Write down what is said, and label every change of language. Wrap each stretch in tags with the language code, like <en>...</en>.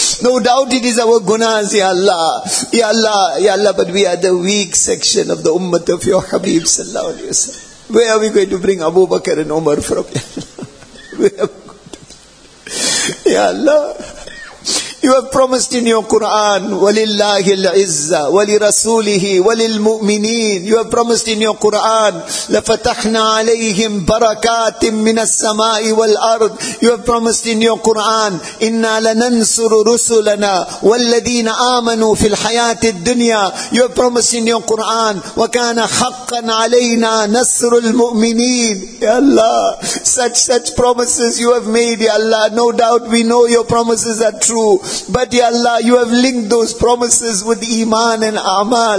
<en>No doubt it is our gunas, Ya Allah. Ya Allah, Ya Allah, but we are the weak section of the ummah of your Habib, sallallahu alayhi wa sallam. Where are we going to bring Abu Bakr and Umar from? Ya Allah, you have promised in your Quran,</en> <ar>وَلِلَّهِ الْعِزَّةِ وَلِرَسُولِهِ وَلِلْمُؤْمِنِينَ.</ar> <en>You have promised in your Quran,</en> <ar>لَفَتَحْنَا عَلَيْهِمْ بَرَكَاتٍ مِّنَ السَّمَاءِ وَالْأَرْضِ.</ar> <en>You have promised in your Quran,</en> <ar>إِنَّا لَنَنْصُرُ رُسُلَنَا وَالَّذِينَ آمَنُوا فِي الْحَيَاةِ الدُّنْيَا.</ar> <en>You have promised in your Quran,</en> <ar>وَكَانَ حَقًّا عَلَيْنَا نَصْرُ الْمُؤْمِنِينَ.</ar> <en>Ya Allah, such promises you have made, Ya Allah. No doubt we know your promises are true. But Ya Allah, you have linked those promises with iman and amal.</en>